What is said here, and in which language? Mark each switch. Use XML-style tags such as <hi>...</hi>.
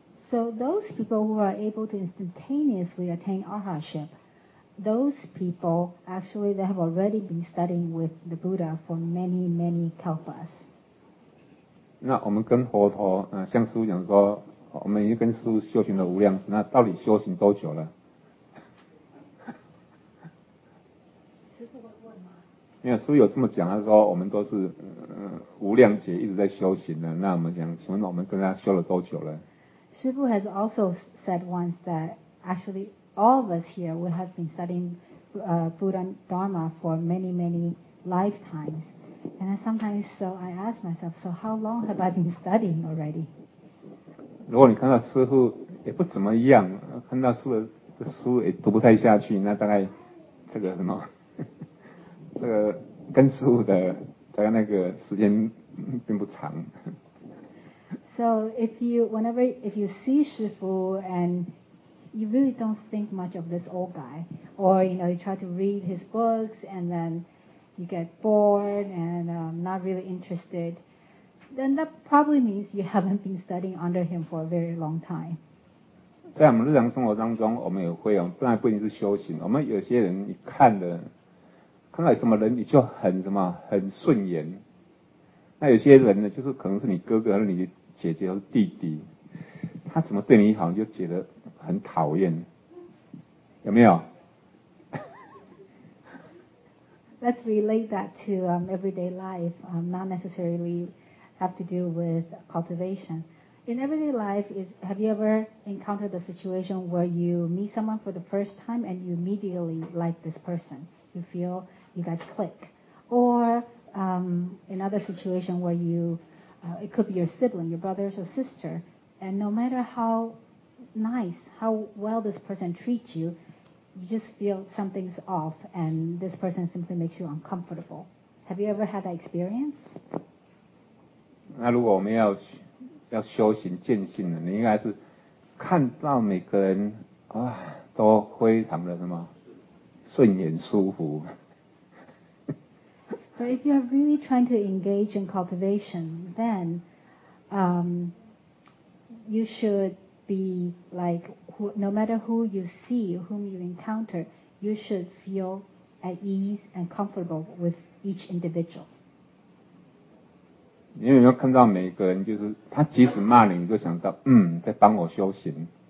<en>So those people who are able to instantaneously attain arhatship, those people actually they have already been studying with the Buddha for many many kalpas.</en> <zh>那我们跟佛陀，像师父讲说，我们已经跟师父修行了无量世，那到底修行多久了？师父会问吗？没有，师父有这么讲，他说我们都是无量劫一直在修行的，那我们想请问我们跟他修了多久了？</zh> <en>师父 has also said once that actually all of us here we have been studying Buddha Dharma for many many lifetimes, and sometimes so I ask myself, so how long have I been studying already?</en> <zh>如果你看到师父也不怎么样，看到师父的书也读不太下去，那大概这个什么，这个跟师父的大概那个时间并不长。</zh> <en>So if you see Shifu and you really don't think much of this old guy, or you know you try to read his books and then you get bored and not really interested, then that probably means you haven't been studying under him for a very long time.</en> <zh>在我们日常生活当中，我们也会不然不一定是修行。我们有些人一看的，看到什么人你就很什么很顺眼。那有些人呢，就是可能是你哥哥，你姐姐和弟弟，他怎么对你好像就觉得很讨厌，有没有？</zh> <en>Let's relate that to everyday life, not necessarily have to do with cultivation. In everyday life, have you ever encountered the situation where you meet someone for the first time and you immediately like this person? You feel you guys click. Or another situation where youit could be your sibling, your brother or sister, and no matter how nice, how well this person treats you, you just feel something's off, and this person simply makes you uncomfortable. Have you ever had that experience?</en> <zh>那如果我们要修行见性呢，你应该是看到每个人啊都非常的什么顺眼舒服。</zh> <en>But if you are really trying to engage in cultivation, then you should be like, no matter who you see, whom you encounter, you should feel at ease and comfortable with each individual.</en> <zh>因为你看到每个人，就是他即使骂你，你就想到，在帮我修行。</zh>